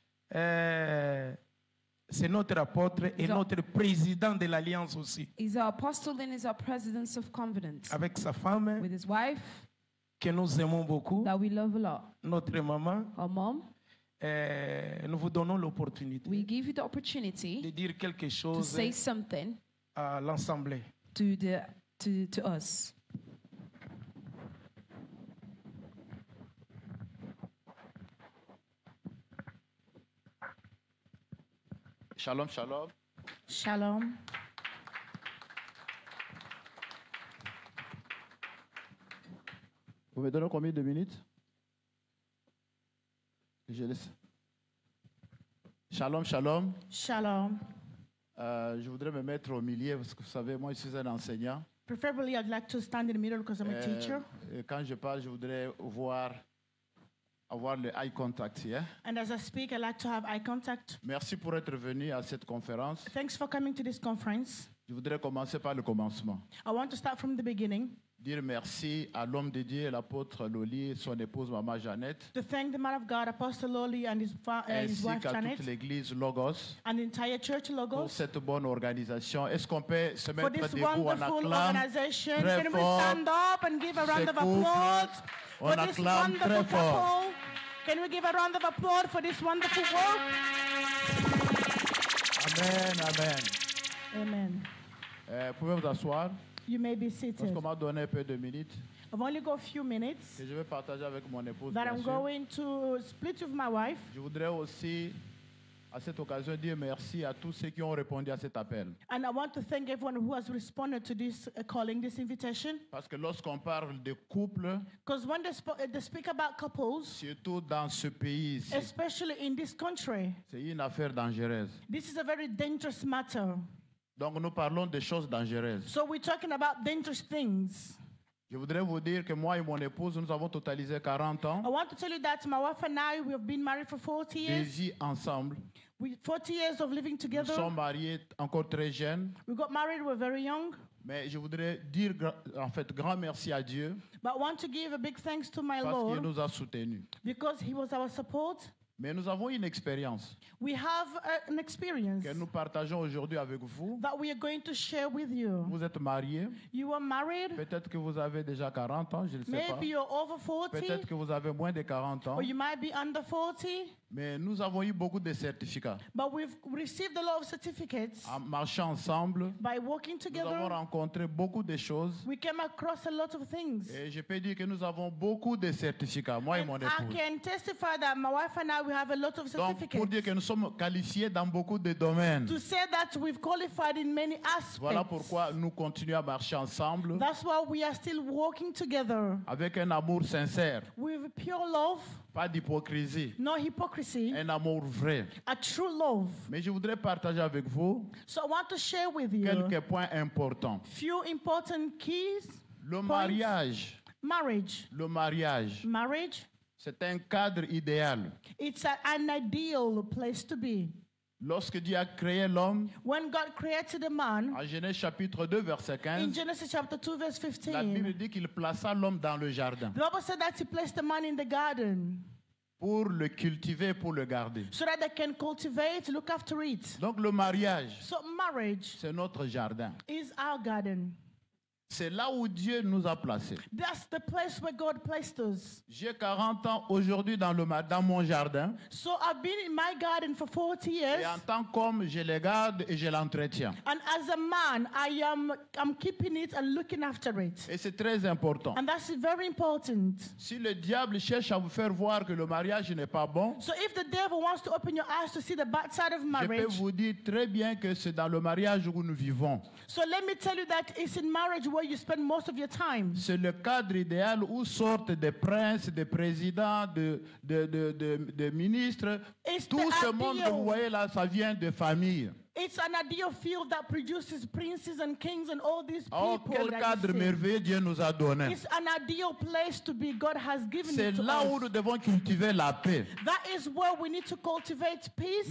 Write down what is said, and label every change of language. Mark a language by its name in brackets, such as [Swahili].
[French] C'est notre apôtre et notre président de l'Alliance aussi. [English] He's our apostle and he's our president of Covenant. [French] Avec sa femme. [English] With his wife. [French] Que nous aimons beaucoup. [English] That we love a lot. [French] Notre maman. [English] Our mom. [French] Nous vous donnons l'opportunité. [English] We give you the opportunity. [French] De dire quelque chose. [English] To say something. [French] À l'ensemble. [English] To us. [Hebrew] Shalom, shalom. Shalom. [French] Vous me donnez combien de minutes? Je laisse. Shalom, shalom. [Hebrew] Shalom. [French] Je voudrais me mettre au milieu parce que vous savez, moi, je suis un enseignant. [English] Preferably, I'd like to stand in the middle because I'm a teacher. [French] Quand je parle, je voudrais voir. Avoir le eye contact, [English] yeah? And as I speak, I like to have eye contact. [French] Merci pour être venu à cette conférence. [English] Thanks for coming to this conference. [French] Je voudrais commencer par le commencement. [English] I want to start from the beginning. [French] Dire merci à l'homme de Dieu, l'apôtre Loli et son épouse Maman Jeannette. [English] To thank the man of God, Apostle Loli and his wife Jeannette. [French] Ainsi qu'à toute l'église Logos. [English] And the entire church Logos. [French] Pour cette bonne organisation. Est-ce qu'on peut se mettre debout en acclamant? [English] For this wonderful organization. Can we stand up and give a round of applause? [French] On acclame très fort. [English] Can we give a round of applause for this wonderful work? Amen, amen. Amen. [French] Pouvez vous asseoir? [English] You may be seated. [French] Parce qu'on m'a donné un peu de minutes. [English] I've only got a few minutes. [French] Que je vais partager avec mon épouse. [English] That I'm going to split with my wife. [French] Je voudrais aussi, à cette occasion, dire merci à tous ceux qui ont répondu à cet appel. [English] And I want to thank everyone who has responded to this calling, this invitation. [French] Parce que lorsqu'on parle de couples, [English] because when they speak about couples, [French] surtout dans ce pays, [English] especially in this country, [French] c'est une affaire dangereuse. [English] This is a very dangerous matter. [French] Donc nous parlons de choses dangereuses. [English] So we're talking about dangerous things. [French] Je voudrais vous dire que moi et mon épouse, nous avons totalisé 40 ans. [English] I want to tell you that my wife and I, we have been married for 40 years. [French] Des vies ensemble. [English] We 40 years of living together. [French] Nous sommes mariés encore très jeunes. [English] We got married, we're very young. [French] Mais je voudrais dire en fait grand merci à Dieu. [English] But I want to give a big thanks to my Lord. [French] Parce qu'il nous a soutenus. [English] Because he was our support. [French] Mais nous avons une expérience. [English] We have an experience. [French] Que nous partageons aujourd'hui avec vous. [English] That we are going to share with you. [French] Vous êtes mariés. [English] You are married. [French] Peut-être que vous avez déjà 40 ans, je ne sais [English] maybe [French] pas. [English] Maybe you're over 40. [French] Peut-être que vous avez moins de 40 ans. [English] Or you might be under 40. [French] Mais nous avons eu beaucoup de certificats. [English] But we've received a lot of certificates. [French] En marchant ensemble. [English] By walking together. [French] Nous avons rencontré beaucoup de choses. [English] We came across a lot of things. [French] Et je peux dire que nous avons beaucoup de certificats, moi et mon épouse. [English] I can testify that my wife and I, we have a lot of certificates. [French] Donc, pour dire que nous sommes qualifiés dans beaucoup de domaines. [English] To say that we've qualified in many aspects. [French] Voilà pourquoi nous continuons à marcher ensemble. [English] That's why we are still walking together. [French] Avec un amour sincère. [English] With pure love. [French] Pas d'hypocrisie. [English] No hypocrisy. [French] Un amour vrai. [English] A true love. [French] Mais je voudrais partager avec vous. [English] So I want to share with you. [French] Quelques points importants. [English] Few important keys. [French] Le mariage. [English] Points. Marriage. [French] Le mariage. [English] Marriage. [French] C'est un cadre idéal. [English] It's an ideal place to be. [French] Lorsque Dieu a créé l'homme. [English] When God created a man. [French] En Genèse chapitre 2 verset 15. [English] In Genesis chapter 2 verse 15. [French] La Bible dit qu'il plaça l'homme dans le jardin. [English] The Bible said that he placed the man in the garden. [French] Pour le cultiver, pour le garder. [English] So that they can cultivate, look after it. [French] Donc le mariage. [English] So marriage. [French] C'est notre jardin. [English] Is our garden. [French] C'est là où Dieu nous a placés. [English] That's the place where God placed us. [French] J'ai 40 ans aujourd'hui dans mon jardin. [English] So I've been in my garden for 40 years. [French] Et en tant qu'homme, je le garde et je l'entretiens. [English] And as a man, I'm keeping it and looking after it. [French] Et c'est très important. [English] And that's very important. [French] Si le diable cherche à vous faire voir que le mariage n'est pas bon. [English] So if the devil wants to open your eyes to see the bad side of marriage. [French] Je peux vous dire très bien que c'est dans le mariage où nous vivons. [English] So let me tell you that it's in marriage where you spend most of your time. [French] C'est le cadre idéal où sortent des princes, des présidents, de ministres. [English] It's [French] tout [English] the [French] ce [English] ideal. [French] Monde que vous voyez là, ça vient de famille. [English] It's an ideal field that produces princes and kings and all these people. [French] Oh, quel cadre merveilleux Dieu nous a donné. [English] It's an ideal place to be. God has given [French] c'est [English] it to us. [French] C'est là où nous devons cultiver la paix. [English] That is where we need to cultivate peace.